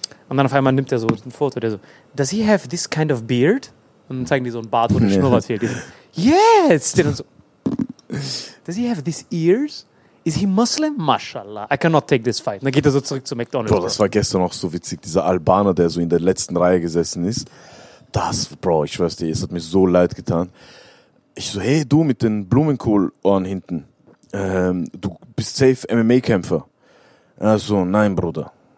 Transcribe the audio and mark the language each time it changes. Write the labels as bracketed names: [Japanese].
[German] Und dann auf einmal nimmt er so ein Foto, der so, [English] does he have this kind of beard? [German] Und dann zeigen die so einen Bart, wo der Schnurrbart fehlt. [English] Yes! So, does he have these ears? Is he Muslim? Mashallah, I cannot take this fight. [German] Und dann geht er so zurück zu McDonald's. Bro, das war gestern auch so witzig. Dieser Albaner, der so in der letzten Reihe gesessen ist. Das, Bro, ich weiß dir, es hat mir so leid getan. Ich so, hey, du mit den Blumenkohlohren hinten. Du bist safe MMA-Kämpfer. Er so, nein, Bruder.